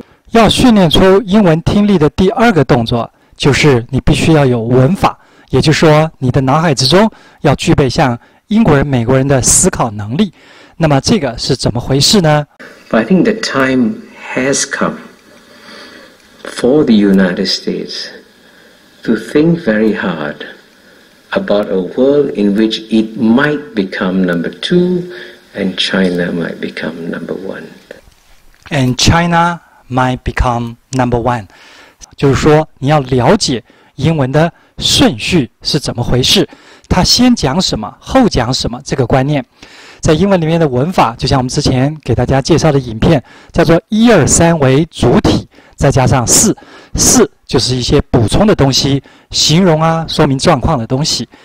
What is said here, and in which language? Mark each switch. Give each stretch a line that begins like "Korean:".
Chinese: 要训练出英文听力的第二个动作，就是你必须要有文法，也就是说，你的脑海之中要具备像英国人、美国人的思考能力。那么这个是怎么回事呢？
English: I think the time has come for the United States to think very hard about a world in which it might become number two and China might become number one. And China might become number one.
Chinese: 就是说你要了解英文的顺序是怎么回事，它先讲什么后讲什么这个观念。在英文里面的文法，就像我们之前给大家介绍的影片，叫做一二三为主体，再加上四，四就是一些补充的东西，形容啊，说明状况的东西。